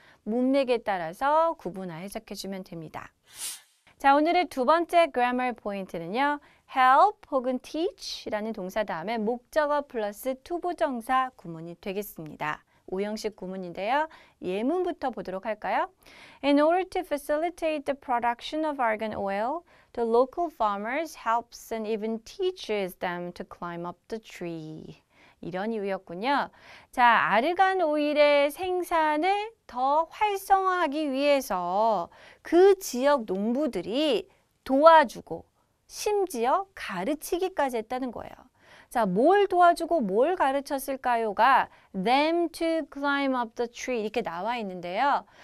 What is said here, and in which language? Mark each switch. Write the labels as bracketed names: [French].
[Korean] 문맥에 따라서 구분화 해석해 주면 됩니다. 자, 오늘의 두 번째 grammar 포인트는요. help 혹은 teach라는 동사 다음에 목적어 플러스 투부정사 구문이 되겠습니다. 5형식 구문인데요. 예문부터 보도록 할까요? [English] In order to facilitate the production of argan oil, the local farmers helps and even teaches them to climb up the tree. [Korean] 이런 이유였군요. 자, 아르간 오일의 생산을 더 활성화하기 위해서 그 지역 농부들이 도와주고 심지어 가르치기까지 했다는 거예요. 자, 뭘 도와주고 뭘 가르쳤을까요가 them to climb up the tree 이렇게 나와 있는데요.